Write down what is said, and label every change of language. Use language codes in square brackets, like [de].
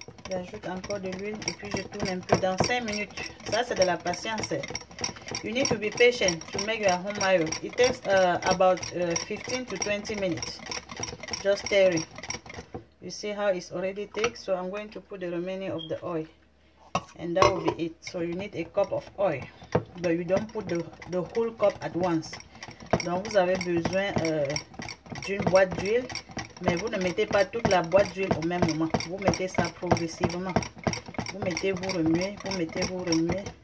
[fr] J'ajoute encore de l'huile et puis je tourne un peu dans 5 minutes. Ça c'est de la patience. [en] You need to be patient to make your home mayo. It takes about 15 to 20 minutes. Just stirring. You see how it's already thick, so I'm going to put the remaining of the oil, and that will be it. So you need a cup of oil, but you don't put the whole cup at once. [fr] Donc vous avez besoin d'une boîte d'huile, mais vous ne mettez pas toute la boîte d'huile au même moment. Vous mettez ça progressivement. Vous mettez, vous remuez, vous mettez, vous remuez.